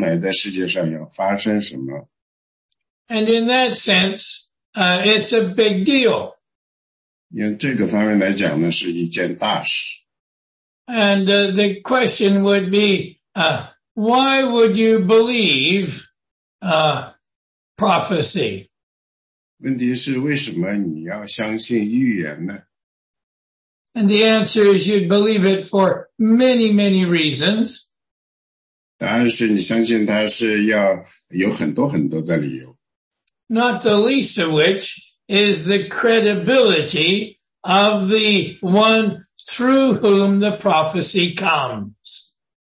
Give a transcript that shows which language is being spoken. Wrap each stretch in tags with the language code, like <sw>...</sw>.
<zh>所以这一本书呢，基本上呢是给那个先知那个预言呢奠定的基础。这个呢，书呢，先知书也告诉我们将来在世界上要发生什么。And</zh> <en>in that sense, it's a big deal.</en> <zh>用这个方面来讲呢，是一件大事。And</zh> <en>the question would be, why would you believe prophecy?</en> <zh>问题是为什么你要相信预言呢?</zh> <en>And the answer is you'd believe it for many, many reasons.</en> <zh>答案是你相信它是要有很多很多的理由。</zh> <en>Not the least of which is the credibility of the one through whom the prophecy comes.</en>